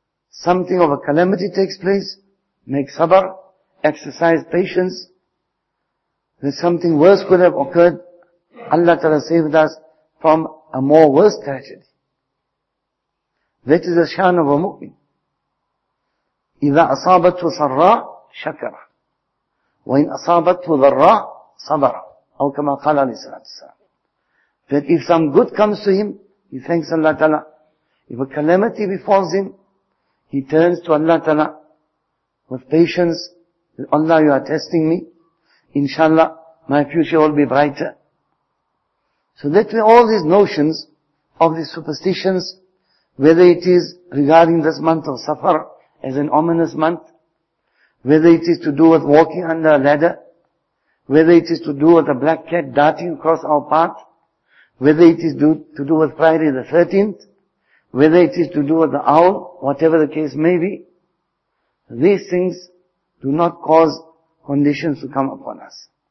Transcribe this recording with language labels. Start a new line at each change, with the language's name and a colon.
English: Something of a calamity takes place, make sabr, exercise patience. That something worse could have occurred, Allah Ta'ala saved us from a more worse tragedy. That is the shan of a mu'min.
Arabic: إِذَا أَصَابَتْهُ سَرَّا شَكَرَ وَإِنْ أَصَابَتْهُ ذَرَّا صَبَرَ أو كما قال عليه الصلاة والسلام.
English: That if some good comes to him, he thanks Allah Ta'ala. If a calamity befalls him, he turns to Allah Ta'ala with patience. Allah, you are testing me. Inshallah, my future will be brighter. So that way all these notions of these superstitions, whether it is regarding this month of Safar as an ominous month, whether it is to do with walking under a ladder, whether it is to do with a black cat darting across our path, whether it is to do with Friday the 13th, whether it is to do with the owl, whatever the case may be, these things do not cause conditions to come upon us.